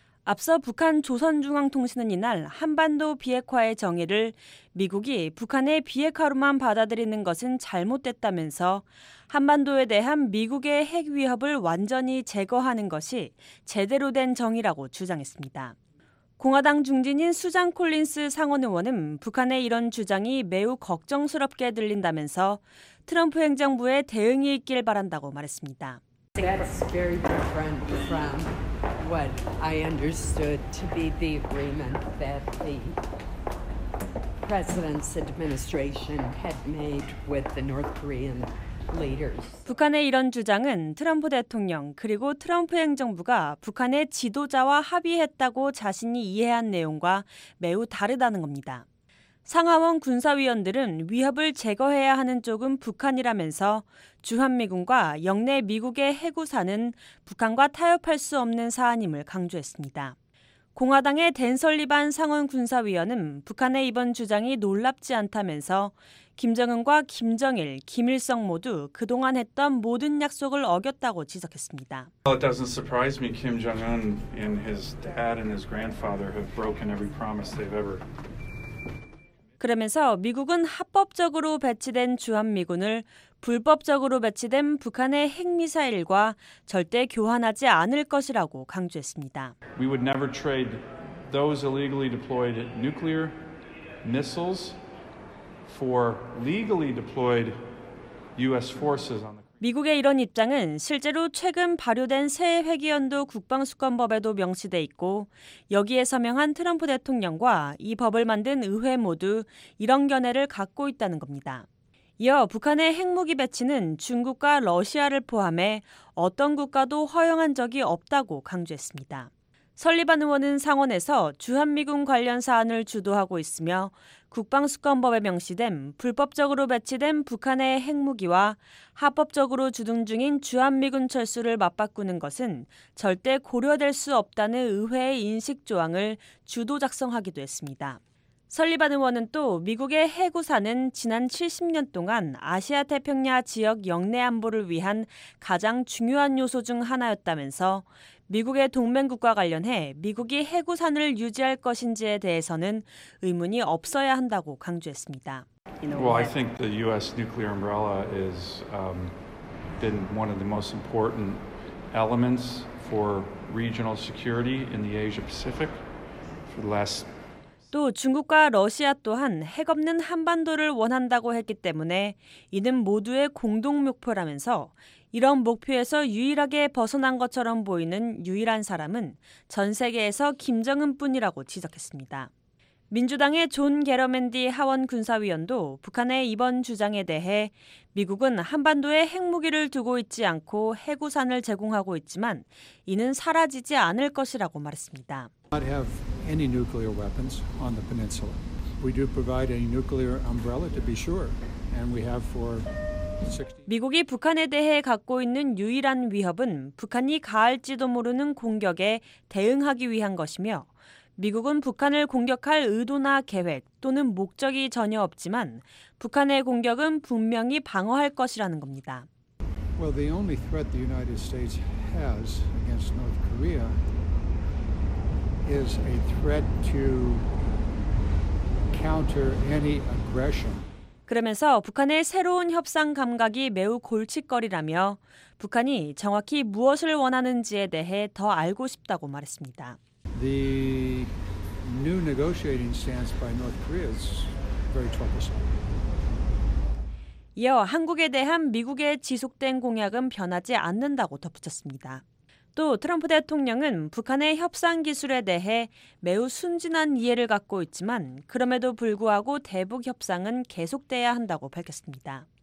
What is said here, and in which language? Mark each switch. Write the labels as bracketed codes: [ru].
[ko] 앞서 북한 조선중앙통신은 이날 한반도 비핵화의 정의를 미국이 북한의 비핵화로만 받아들이는 것은 잘못됐다면서 한반도에 대한 미국의 핵 위협을 완전히 제거하는 것이 제대로 된 정의라고 주장했습니다. 공화당 중진인 수잔 콜린스 상원의원은 북한의 이런 주장이 매우 걱정스럽게 들린다면서 트럼프 행정부의 대응이 있길 바란다고 말했습니다. [en] That's very different from what I understood to be the agreement that the president's administration had made with the North Korean leaders. [ko] 북한의 이런 주장은 트럼프 대통령 그리고 트럼프 행정부가 북한의 지도자와 합의했다고 자신이 이해한 내용과 매우 다르다는 겁니다. 상하원 군사위원들은 위협을 제거해야 하는 쪽은 북한이라면서 주한미군과 역내 미국의 핵우산은 북한과 타협할 수 없는 사안임을 강조했습니다. 공화당의 댄 설리반 상원 군사위원은 북한의 이번 주장이 놀랍지 않다면서 김정은과 김정일, 김일성 모두 그동안 했던 모든 약속을 어겼다고 지적했습니다. [en] Well, it doesn't surprise me Kim Jong-un and his dad and his grandfather have broken every promise they've ever. [ko] 그러면서 미국은 합법적으로 배치된 주한미군을 불법적으로 배치된 북한의 핵미사일과 절대 교환하지 않을 것이라고 강조했습니다. [en] We would never trade those illegally deployed nuclear missiles for legally deployed U.S. forces on the [ko] 미국의 이런 입장은 실제로 최근 발효된 새 회기연도 국방수권법에도 명시돼 있고 여기에 서명한 트럼프 대통령과 이 법을 만든 의회 모두 이런 견해를 갖고 있다는 겁니다. 이어 북한의 핵무기 배치는 중국과 러시아를 포함해 어떤 국가도 허용한 적이 없다고 강조했습니다. 설리반 의원은 상원에서 주한미군 관련 사안을 주도하고 있으며 국방수권법에 명시된 불법적으로 배치된 북한의 핵무기와 합법적으로 주둔 중인 주한미군 철수를 맞바꾸는 것은 절대 고려될 수 없다는 의회의 인식 조항을 주도 작성하기도 했습니다. 설리반 의원은 또 미국의 핵우산은 지난 70년 동안 아시아 태평양 지역 역내 안보를 위한 가장 중요한 요소 중 하나였다면서 미국의 동맹국과 관련해 미국이 핵우산을 유지할 것인지에 대해서는 의문이 없어야 한다고 강조했습니다. [en] Well, I think the U.S. nuclear umbrella is been one of the most important elements for regional security in the Asia Pacific for the last. [ko] 또 중국과 러시아 또한 핵 없는 한반도를 원한다고 했기 때문에 이는 모두의 공동 목표라면서 이런 목표에서 유일하게 벗어난 것처럼 보이는 유일한 사람은 전 세계에서 김정은뿐이라고 지적했습니다. 민주당의 존 게러맨디 하원 군사위원도 북한의 이번 주장에 대해 미국은 한반도에 핵무기를 두고 있지 않고 해구산을 제공하고 있지만 이는 사라지지 않을 것이라고 말했습니다. [en] Not have any nuclear weapons on the peninsula. We do provide a nuclear umbrella to be sure, and we have for [ko] 미국이 북한에 대해 갖고 있는 유일한 위협은 북한이 가할지도 모르는 공격에 대응하기 위한 것이며 미국은 북한을 공격할 의도나 계획 또는 목적이 전혀 없지만 북한의 공격은 분명히 방어할 것이라는 겁니다. [en] Well, the only threat the United States has against North Korea is a threat to counter any aggression. [ko] 그러면서 북한의 새로운 협상 감각이 매우 골칫거리라며 북한이 정확히 무엇을 원하는지에 대해 더 알고 싶다고 말했습니다. [en] The new negotiating stance by North Korea is very troublesome. [ko] 이어 한국에 대한 미국의 지속된 공약은 변하지 않는다고 덧붙였습니다. 또 트럼프 대통령은 북한의 협상 기술에 대해 매우 순진한 이해를 갖고 있지만 그럼에도 불구하고 대북 협상은 계속돼야 한다고 밝혔습니다.